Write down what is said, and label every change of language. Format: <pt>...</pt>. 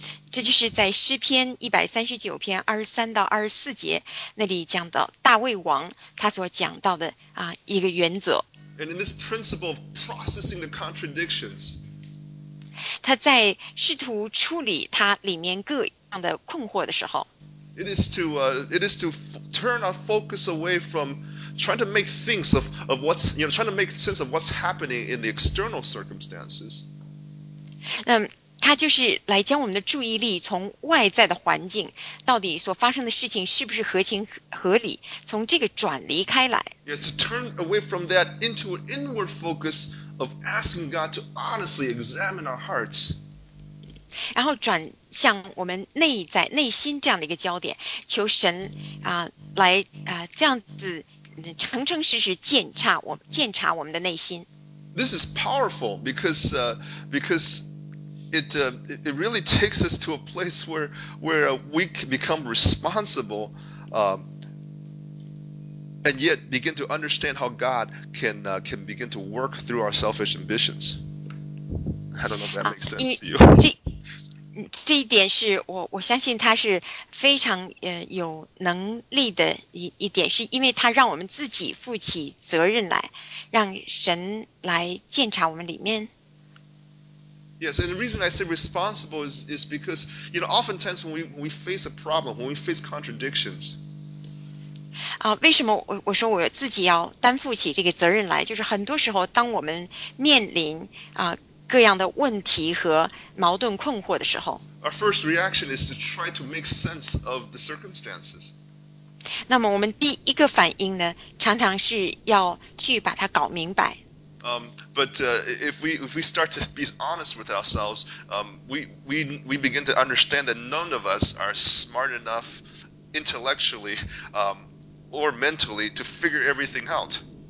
<zh>这就是在诗篇139篇23-24节那里讲到大卫王他所讲到的一个原则。</zh> <en>And in this principle of processing the contradictions,</en> <zh>他在试图处理他里面各样的困惑的时候，</zh> <en>It is to turn our focus away from trying to make things of what's, you know, trying to make sense of what's happening in the external circumstances.</en> <zh>他就是来将我们的注意力从外在的环境到底所发生的事情是不是合情合理，从这个转离开来。</zh> <en>Yes, to turn away from that into an inward focus of asking God to honestly examine our hearts.</en> <zh>然后转向我们内在内心这样的一个焦点，求神来这样子诚诚实实检查我们的内心。</zh> <en>This is powerful because It really takes us to a place where we can become responsible, and yet begin to understand how God can begin to work through our selfish ambitions. I don't know if that makes sense to you.</en> <zh>这一点是我相信它是非常有能力的一点，是因为它让我们自己负起责任来，让神来检查我们里面。</zh> <en>Yes, and the reason I say responsible is because, you know, oftentimes when we face a problem, when we face contradictions.</en> <zh>为什么我说我自己要担负起这个责任来？就是很多时候，当我们面临各样的问题和矛盾困惑的时候，</zh> <en>our first reaction is to try to make sense of the circumstances.</en> <zh>那么我们第一个反应呢，常常是要去把它搞明白。</zh> <en>But if we start to be honest with ourselves, we begin to understand that none of us are smart enough intellectually, or mentally to figure everything out.</en>